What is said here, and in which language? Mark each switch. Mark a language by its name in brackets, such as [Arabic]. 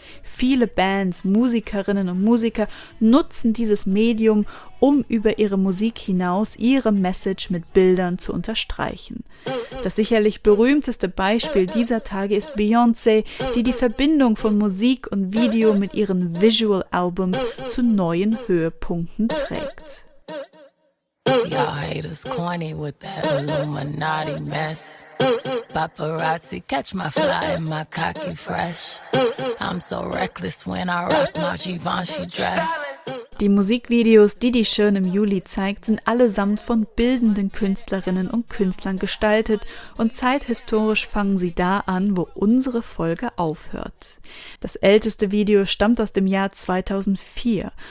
[German] Viele Bands, Musikerinnen und Musiker nutzen dieses Medium, um über ihre Musik hinaus ihre Message mit Bildern zu unterstreichen. Das sicherlich berühmteste Beispiel dieser Tage ist Beyoncé, die die Verbindung von Musik und Video mit ihren Visual Albums zu neuen Höhepunkten trägt. [English] Y'all haters corny with that Illuminati mess. Paparazzi catch my fly and my cocky fresh. I'm so reckless when I rock my Givenchy dress. [German] Die Musikvideos, die die Schön im Juli zeigt, sind allesamt von bildenden Künstlerinnen und Künstlern gestaltet und zeithistorisch fangen sie da an, wo unsere Folge aufhört. Das älteste Video stammt aus dem Jahr 2004.